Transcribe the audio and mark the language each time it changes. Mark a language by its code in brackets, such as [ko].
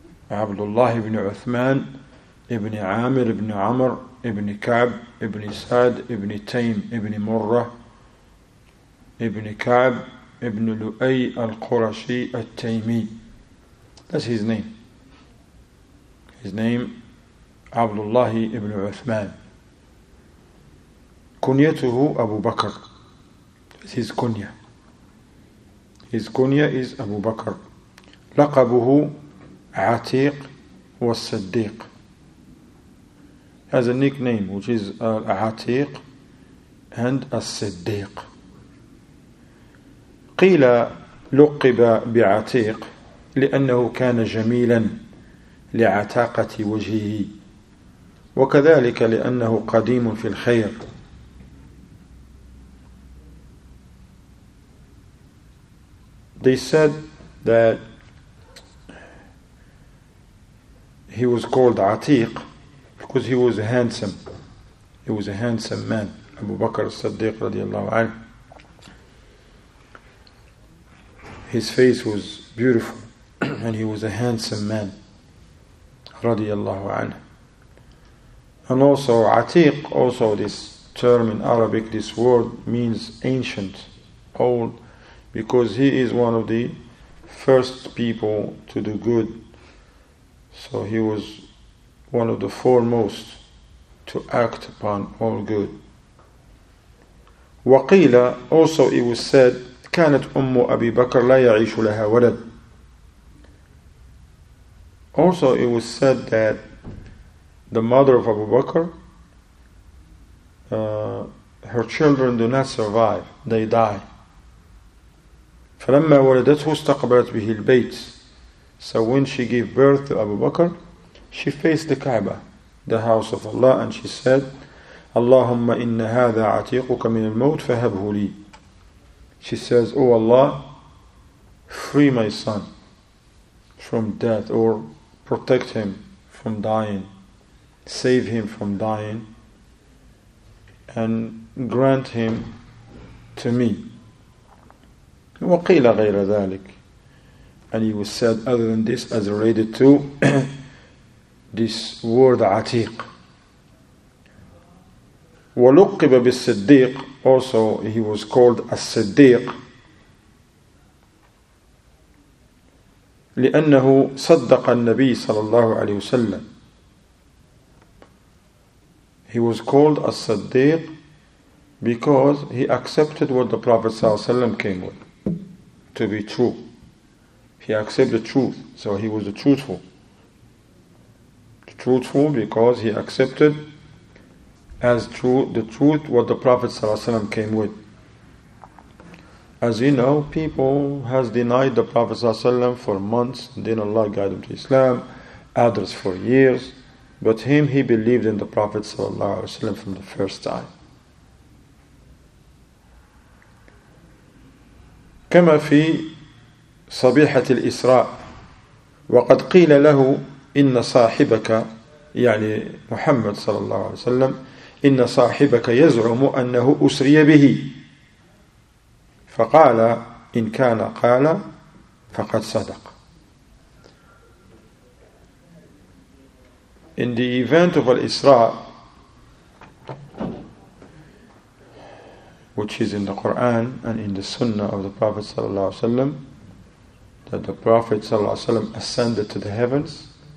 [ar] Abdullah ibn Uthman ibn Amir ibn Amr ibn Ka'b ibn Sa'd ibn Taym ibn Murrah ابن كعب ابن لؤي القرشي التيمي. [en] That's his name. His name, عبد الله ابن عثمان. [ar] كنيته أبو بكر. [en] That's his kunya. His kunya is أبو بكر. [ar] لقبه عتيق والصديق. [en] He has a nickname which is عتيق and الصديق. [ar] قيل لقب بعتيق لأنه كان جميلا لعتاقة وجهه وكذلك لأنه قديم في الخير. [en] They said that he was called عتيق because he was handsome. He was a handsome man, أبو بكر الصديق [ar] رضي الله عنه. [en] His face was beautiful and he was a handsome man [ar] radiyallahu anhu. [en] And also atiq, also this term in Arabic, this word means ancient, old, because he is one of the first people to do good. So he was one of the foremost to act upon all good. [ar] Waqila, [en] also it was said, [ar] كانت أم أبي بكر لا يعيش لها ولد. [en] Also it was said that the mother of Abu Bakr, her children do not survive, they die. [ar] فلما ولدته استقبلت به البيت. [en] So when she gave birth to Abu Bakr, she faced the Kaaba, the house of Allah, and she said, [ar] اللهم إن هذا عتيقك من الموت فهبه لي. [en] She says, "Oh Allah, free my son from death, or protect him from dying, save him from dying, and grant him to me." [ar] وَقِيلَ غَيْرَ ذَلِكَ. [en] And he was said other than this, as related to this word "عتيق." [ar] وَلُقِّبَ بِالصِّدِّيقِ. [en] Also, he was called As-Siddiq. [ar] لأنه صدق النبي صلى الله عليه وسلم. [en] He was called As-Siddiq because he accepted what the Prophet [ar] صلى الله عليه وسلم [en] came with to be true. He accepted the truth, so he was truthful. Truthful because he accepted as true the truth what the Prophet ﷺ came with. As you know, people has denied the Prophet ﷺ for months, then Allah guided him to Islam, others for years, but him, he believed in the Prophet ﷺ from the first time. [ar] كما في صبيحة الإسراء وقد قيل له إن صاحبك يعني محمد صلى الله عليه وسلم إن صاحبك يزعم أنه أسري به فقال إن كان قال فقد صدق. [en] In the event of al-Isra, which is in the Quran and in the Sunnah of the Prophet ﷺ, that the Prophet ﷺ ascended to the heavens,